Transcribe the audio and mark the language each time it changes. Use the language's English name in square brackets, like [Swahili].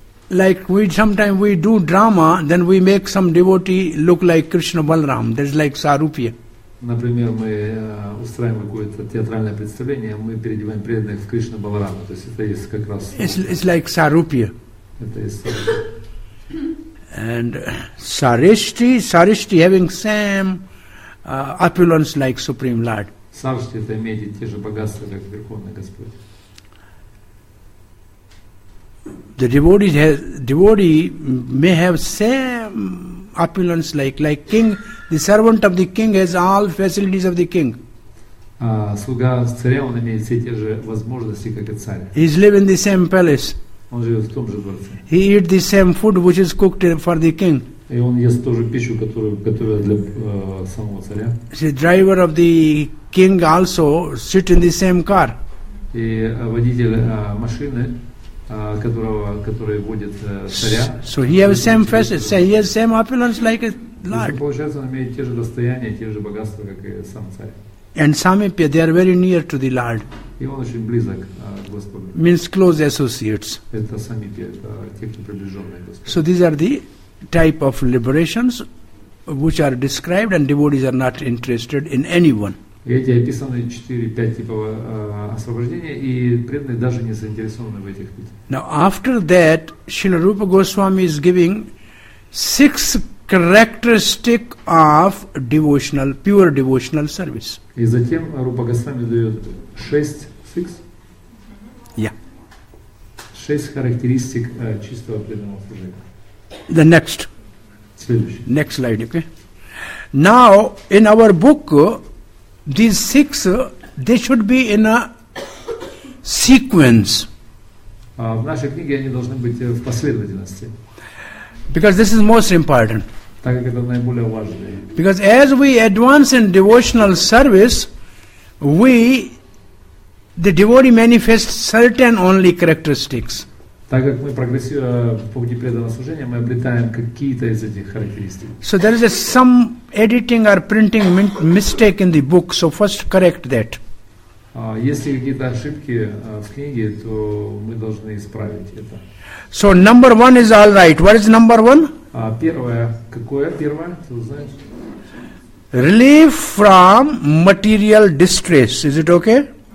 [English] Like we sometimes we do drama, then we make some devotee look like Krishna Balaram. That's like Sarupya. [Russian] Например, мы устраиваем какое-то театральное представление, мы переодеваем преданных в Кришна Баларама. То есть это есть как раз. [English] It's like Sarupya. [Russian] Это есть Sarupya. [English] And Sarishti having same opulence like Supreme Lord. [Russian] Сарышти это иметь те же богатства, как Верховный Господь. [English] The devotee may have same opulence like king. The servant of the king has all facilities of the king. [Russian] Слуга царя, он имеет все те же возможности, как и царь. [English] He is living in the same palace. [Russian] Он живет в том же дворце. [English] He eats the same food which is cooked for the king. [Russian] И он ест ту же пищу, которую готовят для самого царя. [English] The driver of the king also sits in the same car. [Russian] И водитель машины. Который водит царя. [English] So he has same faces, so he has same opulence like a Lord. [Russian] Получается, он имеет те же достояния, те же богатства, как и сам царь. [English] And Samipya, they are very near to the Lord. [Russian] И он очень близок к Господу. [English] Means close associates. [Russian] Это Самипья, это те, кто приближенные к Господу. [English] So these are the type of liberations which are described and devotees are not interested in anyone. [Russian] Эти описаны 4-5 типов освобождения, и преданные даже не заинтересованы в этих видах. [English] Now, after that, Srila Rupa Goswami is giving 6 characteristics of devotional, pure devotional service. [Russian] И затем Рупа Госвами дает 6? [English] Yeah. [Russian] 6 характеристик чистого преданного служения. [English] The next. [Russian] Следующий. [English] Next slide, okay? Now, in our book, these 6, they should be in a sequence. [Russian] В нашей книге они должны быть в последовательности. [English] Because this is most important. [Russian] Так как это наиболее важно. [English] Because as we advance in devotional service, the devotee manifests certain only characteristics. [Russian] Так как мы прогрессируем по пути преданного служения, мы обретаем какие-то из этих характеристик. [English] So there is some editing or printing mistake in the book, so first correct that. [Russian] Если какие-то ошибки в книге, то мы должны исправить это. [English] So number one is all right. What is number one? [Russian] Первое. Какое первое? Ты знаешь? [English] Relief from material distress. Is it okay?